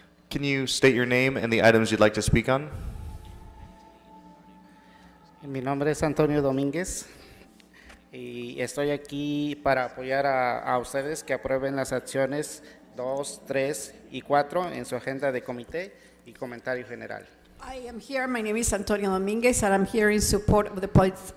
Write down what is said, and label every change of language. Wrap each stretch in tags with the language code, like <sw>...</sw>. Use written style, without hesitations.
<en>Can you state your name and the items you'd like to speak on?</en> <es>Mi nombre es Antonio Dominguez y estoy aquí para apoyar a ustedes que aprueben las acciones 2, 3, y 4 en su agenda de comité y comentario general.</es> <en>I am here. My name is Antonio Dominguez and I'm here in support of the points.</en>